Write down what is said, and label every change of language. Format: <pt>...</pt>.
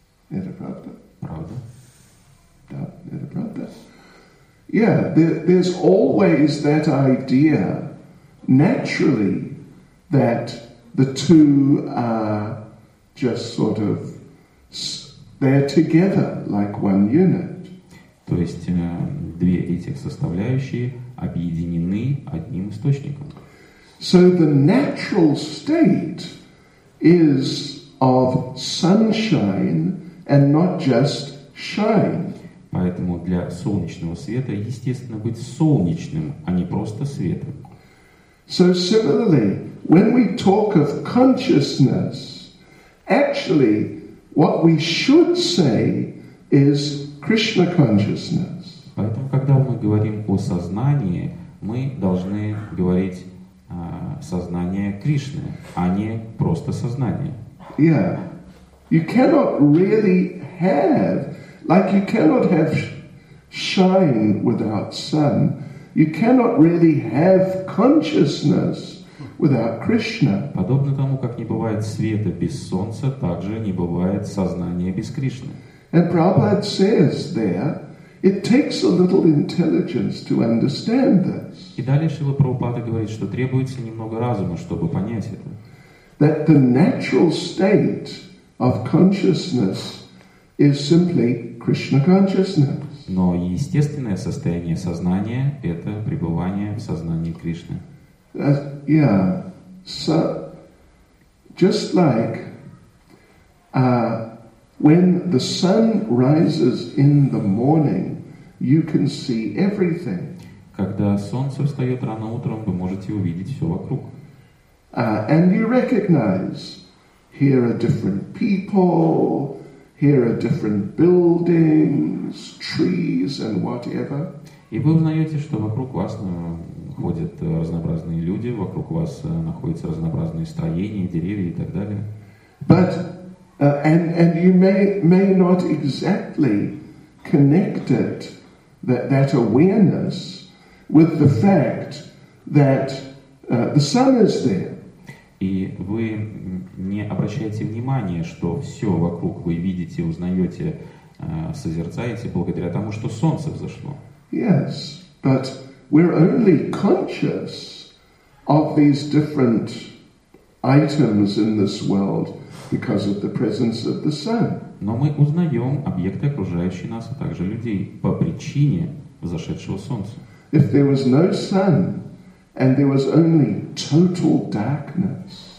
<ru>Это правда? Правда. Да, это правда.</ru> <en>Yeah, there's always that idea, naturally, that the two are just sort of, they're together, like one unit.</en> <ru>То есть две этих составляющие объединены одним источником.</ru> <en>So the natural state is of sunshine and not just shine.</en> <ru>Поэтому для солнечного света естественно быть солнечным, а не просто светом.</ru> <en>So similarly, when we talk of consciousness, actually what we should say is Krishna consciousness.</en> <ru>Поэтому когда мы говорим о сознании, мы должны говорить сознание Кришны, а не просто сознание.</ru> <en>Yeah. You cannot really have, like you cannot have shine without sun. You cannot really have consciousness without Krishna.</en> <ru>Подобно тому, как не бывает света без солнца, так же не бывает сознания без Кришны.</ru> <en>And Prabhupada says there, it takes a little intelligence to understand this.</en> <ru>И далее Шрила Прабхупада говорит, что требуется немного разума, чтобы понять это.</ru> <en>That the natural state of consciousness is simply Krishna consciousness.</en> <ru>Но естественное состояние сознания – это пребывание в сознании Кришны.</ru> <en>Yeah, so just like when the sun rises in the morning, you can see everything.</en> <ru>Когда солнце встает рано утром, вы можете увидеть все вокруг.</ru> <en>And you recognize, here are different people, here are different buildings, trees and whatever.</en> <ru>И вы узнаете, что вокруг вас ходят разнообразные люди, вокруг вас находятся разнообразные строения, деревья и так далее.</ru> <en>But and you may not exactly connect it, that awareness, with the fact that the sun is there.</en> <ru>И вы не обращаете внимания, что все вокруг вы видите, узнаете, созерцаете благодаря тому, что солнце взошло.</ru> <en>Yes, but we're only conscious of these different items in this world because of the presence of the sun.</en> <ru>Но мы узнаем объекты, окружающие нас, а также людей, по причине взошедшего солнца.</ru> <en>If there was no sun and there was only total darkness,</en>